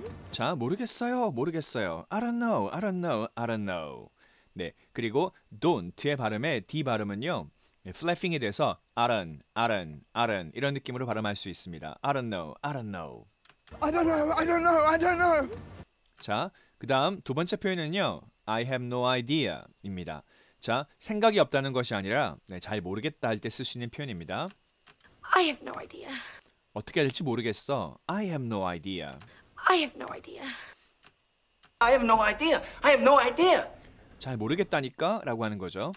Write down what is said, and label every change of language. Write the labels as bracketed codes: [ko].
[ko] 자, 모르겠어요. 모르겠어요. [en] I don't know. [ko] 네. 그리고 don't의 발음에 d 발음은요. 네, flapping이 돼서 아른 이런 느낌으로 발음할 수 있습니다. [en] I don't know. I don't know. [ko] 자, 그다음 두 번째 표현은요. [en] I have no idea입니다. [ko] 자, 생각이 없다는 것이 아니라 네, 잘 모르겠다 할때쓸수 있는 표현입니다. [en] I have no idea. [ko] 어떻게 될지 모르겠어. [en] I have no idea. I have no idea. I have no idea. I have no idea. [ko] 잘 모르겠다니까 라고 하는 거죠.